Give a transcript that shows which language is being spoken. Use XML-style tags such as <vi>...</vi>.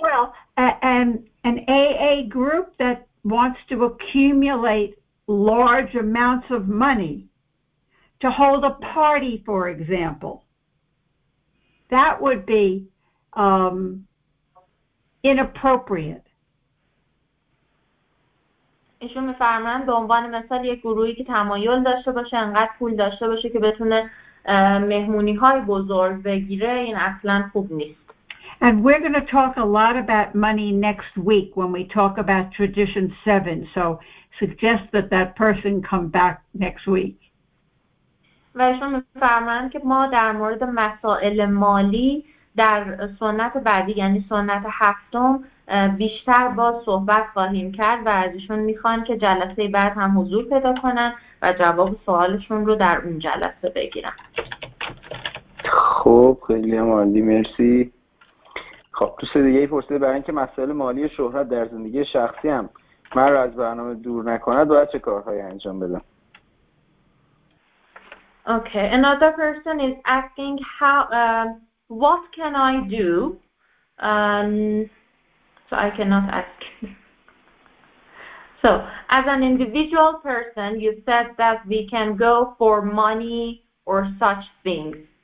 <en>Well, an AA group that wants to accumulate large amounts of money to hold a party, for example, that would be inappropriate.</en> <fa>ایشون می‌فرمایند به عنوان مثال یک گروهی که تمایل داشته باشه انقدر پول داشته باشه که بتونه مهمونی‌های بزرگ بگیره، این اصلاً خوب نیست.</fa> <en>And we're going to talk a lot about money next week when we talk about Tradition 7. So suggest that that person come back next week.</en> <fa>و ایشون می‌فرمایند که ما در مورد مسائل مالی در سنت بعدی یعنی سنت هفتم بیشتر با صحبت خواهیم کرد و از ایشون می‌خوان که جلسه بعد هم حضور پیدا کنن و جواب سوالشون رو در اون جلسه بگیرن. خب خیلی عالی، مرسی. خب دوست دیگه ای پرسیده برای اینکه مسائل مالی شهرت در زندگی شخصی هم من رو از برنامه دور نکند باید چه کارهایی انجام بدم؟</fa> <en>Okay, another person is asking how, what can I do? So I cannot ask. So, as an individual person, you said that we can go for money or such things.</en>